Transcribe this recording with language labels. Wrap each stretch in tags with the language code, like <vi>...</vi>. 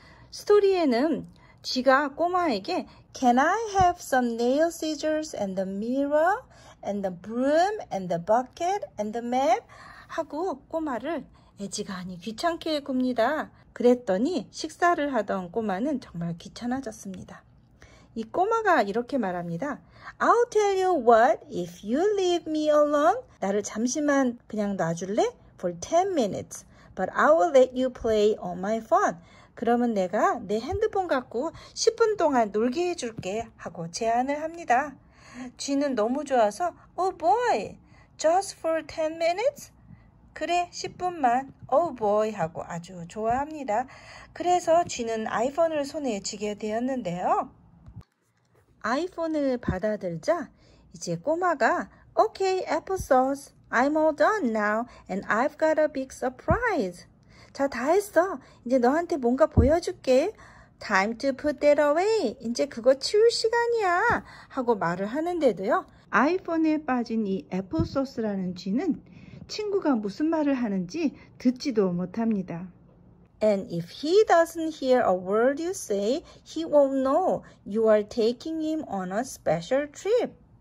<ko>스토리에는 쥐가 꼬마에게</ko> <en>Can I have some nail scissors and the mirror and the broom and the bucket and the mat?</en> <ko>하고 꼬마를 애지간히 귀찮게 굽니다. 그랬더니 식사를 하던 꼬마는 정말 귀찮아졌습니다. 이 꼬마가 이렇게 말합니다.</ko> <en>I'll tell you what if you leave me alone.</en> <ko>나를 잠시만 그냥 놔줄래?</ko> <en>For 10 minutes. But I will let you play on my phone.</en> <ko>그러면 내가 내 핸드폰 갖고 10분 동안 놀게 해줄게 하고 제안을 합니다. 쥐는 너무 좋아서,</ko> <en>Oh boy, just for 10 minutes?</en> <ko>그래, 10분만.</ko> <en>Oh boy</en> <ko>하고 아주 좋아합니다. 그래서 쥐는 아이폰을 손에 쥐게 되었는데요. 아이폰을 받아들자 이제 꼬마가</ko> <en>Okay, applesauce. I'm all done now and I've got a big surprise.</en> <ko>자, 다 했어. 이제 너한테 뭔가 보여줄게.</ko> <en>Time to put that away.</en> <ko>이제 그거 치울 시간이야. 하고 말을 하는데도요. 아이폰에 빠진 이 애플소스라는 쥐는 친구가 무슨 말을 하는지 듣지도 못합니다.</ko> <en>And if he doesn't hear a word you say, he won't know you are taking him on a special trip.</en>